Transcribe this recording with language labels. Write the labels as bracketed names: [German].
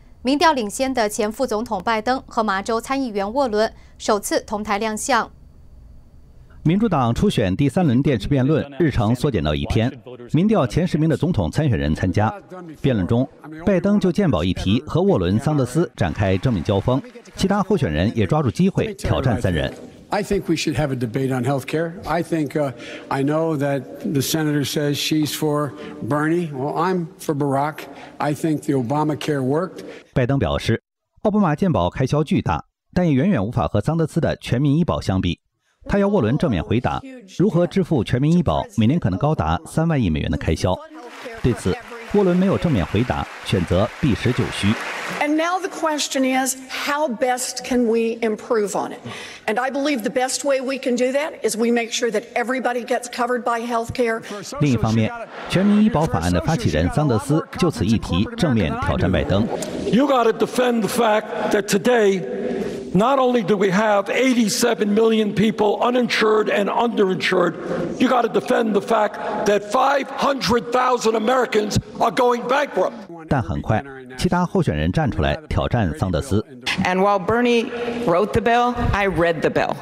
[Chinese] 民调领先的前副总统拜登和麻州参议员沃伦首次同台亮相。民主党初选第三轮电视辩论日程缩减到一天，民调前10名的总统参选人参加。辩论中，拜登就健保议题和沃伦、桑德斯展开正面交锋，其他候选人也抓住机会挑战三人。 [English] I think we should have a debate on health care. I think I know that the senator says she's for Bernie. Well, I'm for Barack. I think the Obamacare worked. [Chinese] 拜登表示，奥巴马健保开销巨大，但也远远无法和桑德斯的全民医保相比。他要沃伦正面回答，如何支付全民医保每年可能高达$30,000,000,000的开销。对此，沃伦没有正面回答，选择避实就虚。 [English] And now the question is, how best can we improve on it? And I believe the best way we can do that is we make sure that everybody gets covered by health care. [Chinese] 另一方面，全民医保法案的发起人桑德斯就此议题正面挑战拜登。 [English] You got to defend the fact that today, not only do we have 87 million people uninsured and underinsured, you got to defend the fact that 500,000 Americans are going bankrupt. [Chinese] 但很快，其他候选人站出来挑战桑德斯。 [English] And while Bernie wrote the bill, I read the bill.